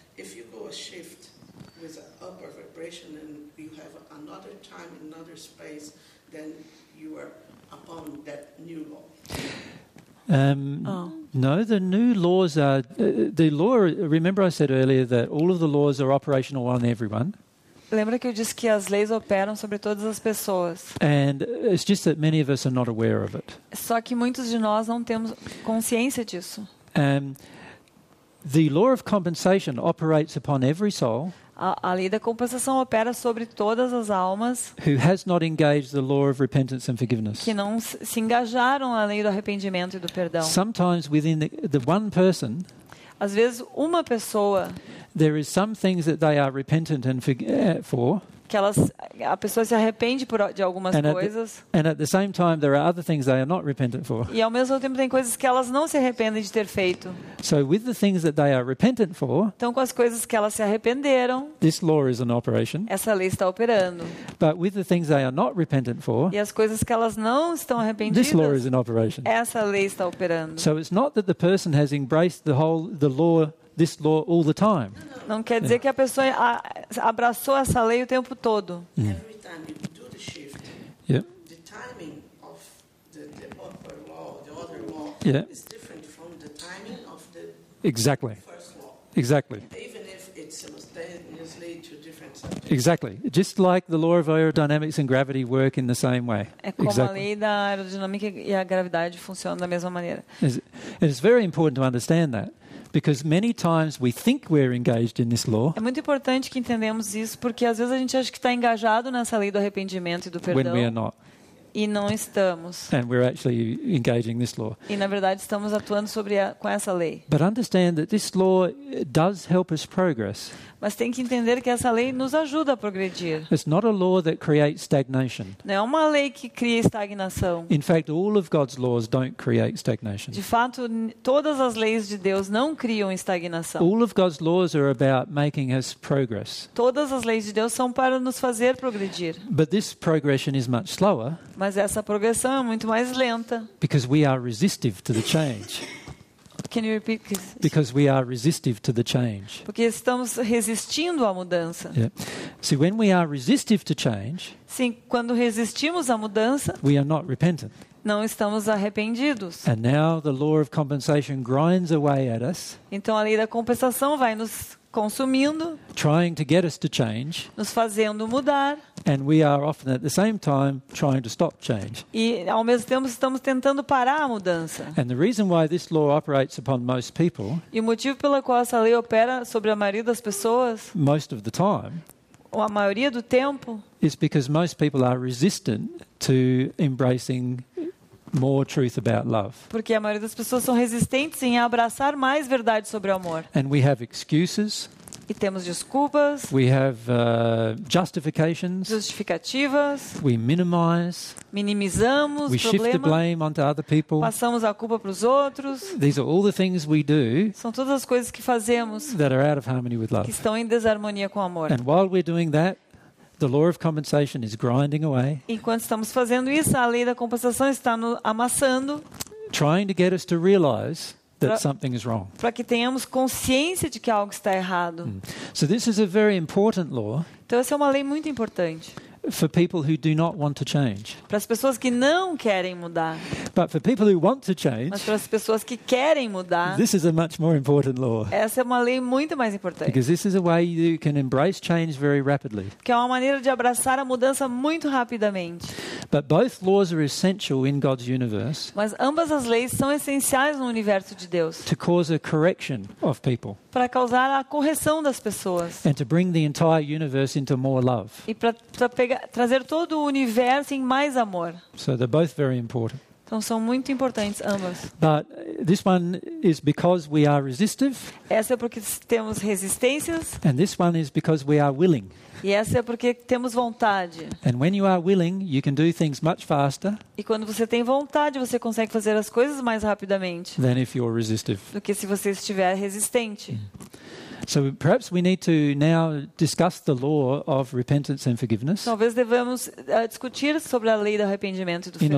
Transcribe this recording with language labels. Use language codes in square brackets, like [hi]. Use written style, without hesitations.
[en] If you go a shift with an upper vibration and you have another time, another space, then you are upon that new law. No, the new laws are the law. Remember, I said earlier that all of the laws are operational on everyone. [pt] Lembra que eu disse que as leis operam sobre todas as pessoas? [en] And it's just that many of us are not aware of it. [pt] Só que muitos de nós não temos consciência disso. [en] The law of compensation operates upon every soul. [pt] A lei da compensação opera sobre todas as almas. [en] Who has not engaged the law of repentance and forgiveness. [pt] Que não se engajaram à lei do arrependimento e do perdão. [en] Sometimes within the one person. [pt] Às vezes uma pessoa. [en] There is some things that they are repentant and for. [pt] Que elas, a pessoa se arrepende de algumas coisas. [en] And at the same time there are other things they are not repentant for. [pt] E ao mesmo tempo tem coisas que elas não se arrependem de ter feito. [en] So with the things that they are repentant for. [pt] Então com as coisas que elas se arrependeram. [en] This law is an operation. [pt] Essa lei está operando. [en] But with the things they are not repentant for. [pt] E as coisas que elas não estão arrependidas. [en] This law is an operation. [pt] Essa lei está operando. [en] So it's not that the person has embraced the law. This law all the time. [pt] Não quer dizer que a pessoa abraçou essa lei o tempo todo. [en] Every time you do the shift, yeah. The timing of the upper law, the other law, yeah. Is different from the timing of the exactly. First law. Exactly. Even if it's simultaneously two different subjects. Exactly. Just like the law of aerodynamics and gravity work in the same way. [pt] É como [en] exactly. [pt] A lei da aerodinâmica e a gravidade funcionam da mesma maneira. [en] It's very important to understand that. Because many times we think we're engaged in this law. [pt] É muito importante que entendemos isso porque às vezes a gente acha que está engajado nessa lei do arrependimento e do perdão. [en] When we are not. [pt] E não estamos. [en] And we're actually engaging this law. [pt] E na verdade estamos atuando sobre com essa lei. [en] But understand that this law does help us progress. [pt] Mas tem que entender que essa lei nos ajuda a progredir. [en] It's not a law that creates stagnation. [pt] Não é uma lei que cria estagnação. [en] In fact, all of God's laws don't create stagnation. [pt] De fato, todas as leis de Deus não criam estagnação. [en] All of God's laws are about making us progress. [pt] Todas as leis de Deus são para nos fazer progredir. [en] But this progression is much slower. [pt] Mas essa progressão é muito mais lenta. [en] Because we are resistive to the change. Can you repeat? Because we are resistive to the change. [pt] Porque estamos resistindo à mudança. [en] Yeah. See, when we are resistive to change. [pt] Sim, quando resistimos à mudança. [en] We are not repentant. [pt] Não estamos arrependidos. [en] And now the law of compensation grinds away at us. [pt] Então a lei da compensação vai nos consumindo. [en] Trying to get us to change. [pt] Nos fazendo mudar. [en] And we are often at the same time trying to stop change. [pt] E ao mesmo tempo estamos tentando parar a mudança. [en] And the reason why this law operates upon most people. [pt] E o motivo pelo qual essa lei opera sobre a maioria das pessoas. [en] Most of the time. [pt] Ou a maioria do tempo. [en] Is because most people are resistant to embracing more truth about love. [pt] Porque a maioria das pessoas são resistentes em abraçar mais verdade sobre o amor. [en] And we have excuses. [pt] E temos desculpas. [en] We have justifications. [pt] Justificativas. [en] We minimize. [pt] Minimizamos problemas. [en] We shift the blame onto other people. [pt] Passamos a culpa para os outros. [en] These are all the things we do. [pt] São todas as coisas que fazemos. [en] That are out of harmony with love. [pt] Que estão em desarmonia com o amor. [en] And while we're doing that, the law of compensation is grinding away. [pt] Enquanto estamos fazendo isso, a lei da compensação está nos amassando. [en] Trying to get us to realize that something is wrong. [pt] Para que tenhamos consciência de que algo está errado. [en] So this is a very important law. [pt] Então essa é uma lei muito importante. [en] For people who do not want to change. [pt] Para as pessoas que não querem mudar. [en] But for people who want to change. [pt] Mas para as pessoas que querem mudar. [en] This is a much more important law. [pt] Essa é uma lei muito mais importante. [en] Because this is a way you can embrace change very rapidly. [pt] Que é uma maneira de abraçar a mudança muito rapidamente. [en] But both laws are essential in God's universe. [pt] Mas ambas as leis são essenciais no universo de Deus. [en] To cause a correction of people. [pt] Para causar a correção das pessoas. [en] And to bring the entire universe into more love. [pt] E trazer todo o universo em mais amor. [en] So they're both very important. [pt] Então são muito importantes ambas. [en] But this one is because we are resistive. [pt] Essa é porque temos resistências. [en] And this one is because we are willing. [pt] E essa é porque temos vontade. [en] And when you are willing, you can do things much faster. [pt] E quando você tem vontade, você consegue fazer as coisas mais rapidamente. [en] Than if you're resistive. [pt] Do que se você estiver resistente. [en] So perhaps we need to now discuss the law of repentance and forgiveness. [pt] Talvez devemos discutir sobre a lei do arrependimento e do perdão.